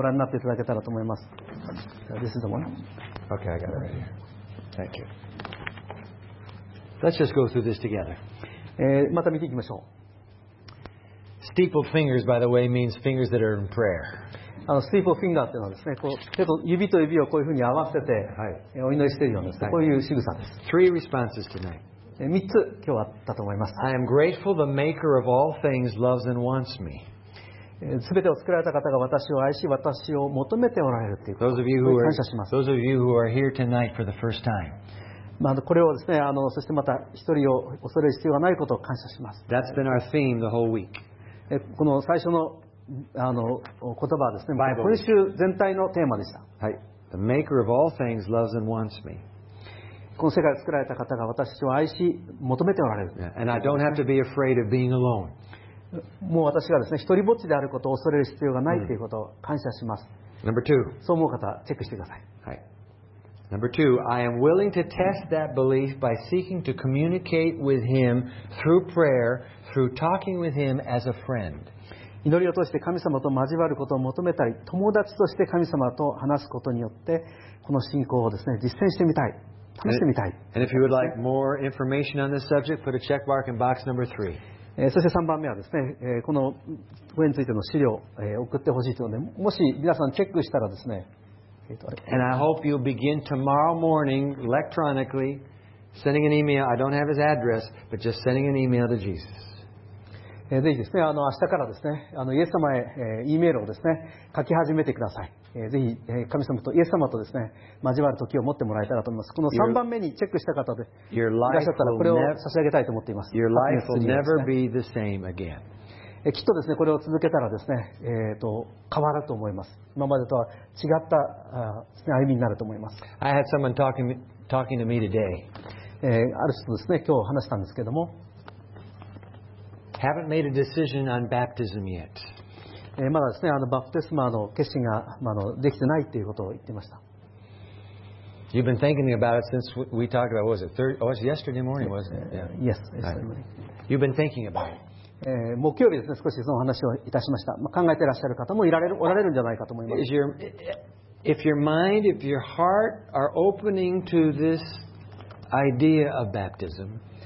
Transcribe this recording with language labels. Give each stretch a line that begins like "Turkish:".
Japanese: ご覧になっていただけたらと思います。
English: This is the one. Okay, I got it right here. Thank you. Let's just go through this together.
Japanese: また見ていきましょう。
English: Steeple fingers, by the way, means fingers that are in prayer.
Japanese: Steeple finger っていうのはですね、こう手と指と指をこういうふうに合わせて、はい、お祈りしているようなですね、はい、こういう仕草です。
English: Three responses tonight.
Japanese: 三つ今日あったと思います。
English: I am grateful the maker of all things loves and wants me.
Japanese: すべてを作られた方が私を愛し私を求めておられるっていうこと。
English: Those of you who are,
Japanese: 感謝します。
English: Those of you who are here tonight for the first time.
Japanese: まあ、これをですね、そしてまた一人を恐れる必要がないことを感謝します。
English: That's been our theme the whole week.
Japanese: この最初の、言葉はですね、今週全体のテーマでした。はい。
English: The maker of all things loves and wants me.
Japanese: この世界を作られた方が私を愛し、求めておられる。
English: Yeah. And I don't have to be afraid of being alone.
Japanese: もう私がですね、一人ぼっちであることを恐れる必要がないということを感謝します。
English: Number two.
Japanese: そう思う方、チェックしてください。はい。
English: Number two, I am willing to test that belief by seeking to communicate with him through prayer, through talking with him as a friend.
Japanese: 祈りを通して神様と交わることを求めたり、友達として神様と話すことによって、この信仰をですね、実践してみたい、試してみたい。
English: And if you would like more information on this subject, put a check mark in box number three.
Japanese: そして3番目はですね、この上についての資料を送ってほしいというので、もし皆さんチェックしたらですね、
English: And I hope you'll begin tomorrow morning electronically sending an email. I don't have his address, but just sending an email to Jesus.
Japanese: ぜひですね、明日からですね、イエス様へ、E メールをですね、書き始めてください。ぜひ、神様とイエス様とですね、交わる時を持ってもらえたらと思います。この3番目にチェックした方でいらっしゃったら、これを差し上げたいと思っています。
English: Your life will never be the same again.
Japanese: きっとですね、これを続けたらですね、変わると思います。今までとは違った、ですね、歩みになると思います。
English: I had someone talking to me today.
Japanese: ある人ですね、今日話したんですけども。
English: Haven't made a decision on baptism yet.
Japanese: まだですね、バプテスマの決心が、できてないということを言ってました。
English: You've been thinking about it since we talked about, what was it? Oh, it was yesterday morning, wasn't it? Yeah. Yes, yesterday morning. You've been thinking about it.
Japanese: 木曜日ですね、少しその話をいたしました。まあ、考えていらっしゃる方もおられるんじゃないかと思います。
English: If your mind, if your heart are opening to this idea of baptism,